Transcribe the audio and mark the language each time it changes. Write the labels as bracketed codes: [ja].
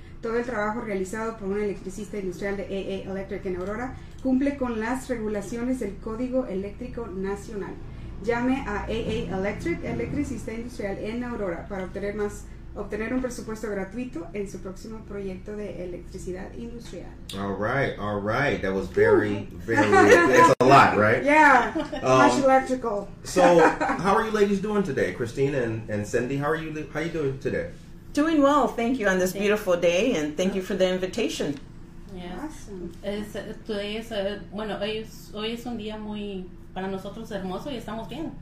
[es] Todo el trabajo realizado por un electricista industrial de AA Electric en Aurora cumple con las regulaciones del Código Eléctrico Nacional. Llame a AA Electric, electricista industrial en Aurora, para obtener un presupuesto gratuito en su próximo proyecto de electricidad industrial. [en] All right. That was very, very, it's a lot, right? Yeah, much electrical. So, how are you ladies doing today? Christina and Cindy, how are you doing today? Doing well, thank you, on this beautiful day, and thank you for the invitation. Yes. Awesome. [es] Hoy es un día muy, para nosotros, hermoso, y estamos bien.